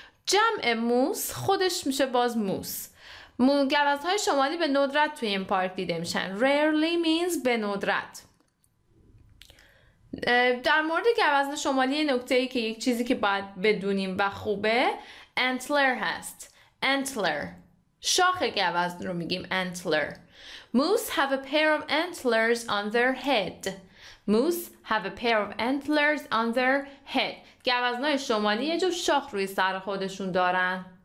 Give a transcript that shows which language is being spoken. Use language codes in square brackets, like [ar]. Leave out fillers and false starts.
[fa] جمع موس خودش میشه باز موس. گوزن‌های شمالی به ندرت توی این پارک دیده میشن. [en] Rarely means [fa] به ندرت. در مورد گوزن شمالی نکته ای که یک چیزی که باید بدونیم و خوبه antler هست. [en] Antler. [fa] شاخ گوزن رو میگیم antler. [en] Moose have a pair of antlers on their head. [fa] گوزن‌های شمالی یه جور شاخ روی سر خودشون دارن.